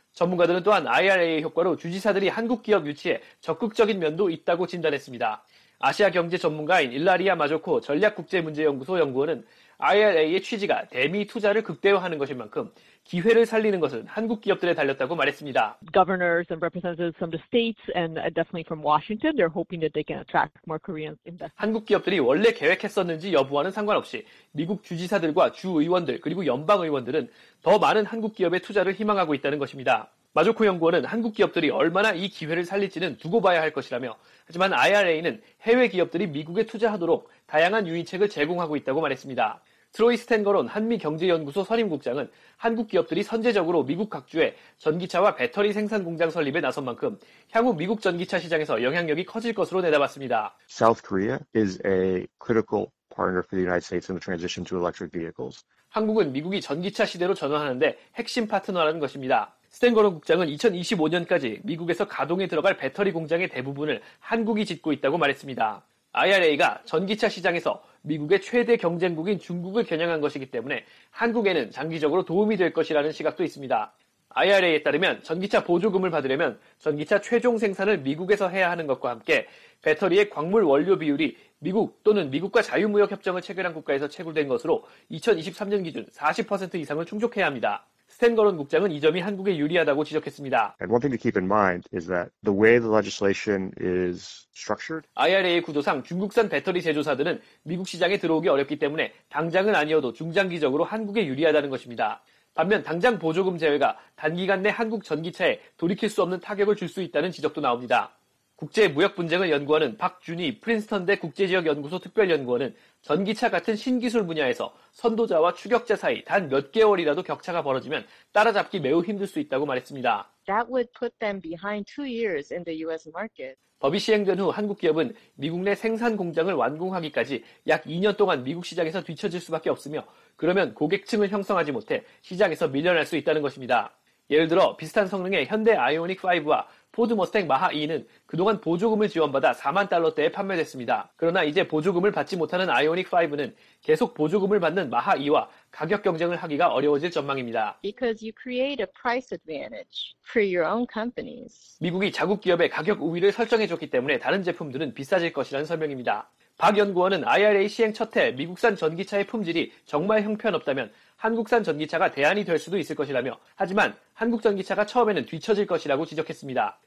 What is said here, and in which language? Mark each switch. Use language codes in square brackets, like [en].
[ko] 전문가들은 또한 IRA의 효과로 주지사들이 한국 기업 유치에 적극적인 면도 있다고 진단했습니다. 아시아 경제 전문가인 일라리아 마조코 전략국제문제연구소 연구원은 IRA의 취지가 대미 투자를 극대화하는 것인 만큼 기회를 살리는 것은 한국 기업들에 달렸다고 말했습니다. [en] Governors and representatives from the states and definitely from Washington, they're hoping that they can attract more Korean investors. [ko] 한국 기업들이 원래 계획했었는지 여부와는 상관없이 미국 주지사들과 주의원들 그리고 연방의원들은 더 많은 한국 기업의 투자를 희망하고 있다는 것입니다. 마조코 연구원은 한국 기업들이 얼마나 이 기회를 살릴지는 두고 봐야 할 것이라며 하지만 IRA는 해외 기업들이 미국에 투자하도록 다양한 유인책을 제공하고 있다고 말했습니다. 트로이 스탠거론 한미경제연구소 선임국장은 한국 기업들이 선제적으로 미국 각주에 전기차와 배터리 생산 공장 설립에 나선 만큼 향후 미국 전기차 시장에서 영향력이 커질 것으로 내다봤습니다. [en] South Korea is a critical partner for the United States in the transition to electric vehicles. [ko] 한국은 미국이 전기차 시대로 전환하는 데 핵심 파트너라는 것입니다. 스탠거론 국장은 2025년까지 미국에서 가동에 들어갈 배터리 공장의 대부분을 한국이 짓고 있다고 말했습니다. IRA가 전기차 시장에서 미국의 최대 경쟁국인 중국을 겨냥한 것이기 때문에 한국에는 장기적으로 도움이 될 것이라는 시각도 있습니다. IRA에 따르면 전기차 보조금을 받으려면 전기차 최종 생산을 미국에서 해야 하는 것과 함께 배터리의 광물 원료 비율이 미국 또는 미국과 자유무역협정을 체결한 국가에서 채굴된 것으로 2023년 기준 40% 이상을 충족해야 합니다. 스탠거론 국장은 이 점이 한국에 유리하다고 지적했습니다. [en] And one thing to keep in mind is that the way the legislation is structured. [ko] IRA의 구조상 중국산 배터리 제조사들은 미국 시장에 들어오기 어렵기 때문에 당장은 아니어도 중장기적으로 한국에 유리하다는 것입니다. 반면 당장 보조금 제외가 단기간 내 한국 전기차에 돌이킬 수 없는 타격을 줄 수 있다는 지적도 나옵니다. 국제 무역 분쟁을 연구하는 박준희 프린스턴대 국제지역연구소 특별연구원은 전기차 같은 신기술 분야에서 선도자와 추격자 사이 단 몇 개월이라도 격차가 벌어지면 따라잡기 매우 힘들 수 있다고 말했습니다. [en] That would put them behind two years in the US market. [ko] 법이 시행된 후 한국 기업은 미국 내 생산 공장을 완공하기까지 약 2년 동안 미국 시장에서 뒤처질 수밖에 없으며 그러면 고객층을 형성하지 못해 시장에서 밀려날 수 있다는 것입니다. 예를 들어 비슷한 성능의 현대 아이오닉5와 포드 머스탱 마하 E는 그동안 보조금을 지원받아 4만 달러대에 판매됐습니다. 그러나 이제 보조금을 받지 못하는 아이오닉5는 계속 보조금을 받는 마하 E와 가격 경쟁을 하기가 어려워질 전망입니다. [en] Because you create a price advantage for your own companies. [ko] 미국이 자국 기업의 가격 우위를 설정해줬기 때문에 다른 제품들은 비싸질 것이라는 설명입니다. 박 연구원은 IRA 시행 첫해 미국산 전기차의 품질이 정말 형편없다면 한국산 전기차가 대안이 될 수도 있을 것이라며 하지만 한국 전기차가 처음에는 뒤처질 것이라고 지적했습니다.